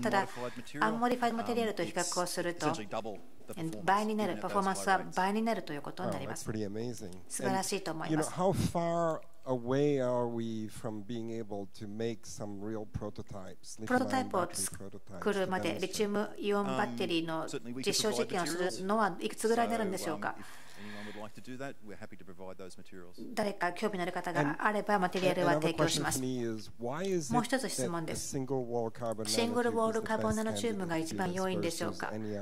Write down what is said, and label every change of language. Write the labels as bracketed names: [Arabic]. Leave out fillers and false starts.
[Japanese] ただアンモディファイドマテリアルと比較をすると倍になる、パフォーマンスは倍になるということになります。素晴らしいと思います。 [English] You know, how far away are we from being able to make some real prototypes? [Japanese] プロトタイプを作るまでリチウムイオンバッテリーの実証実験をするのはいくつぐらいになるんでしょうか。誰か興味のある方があればマテリアルは提供します。もう一つ質問です。シングルウォールカーボンナノチューブが一番良いんでしょうか。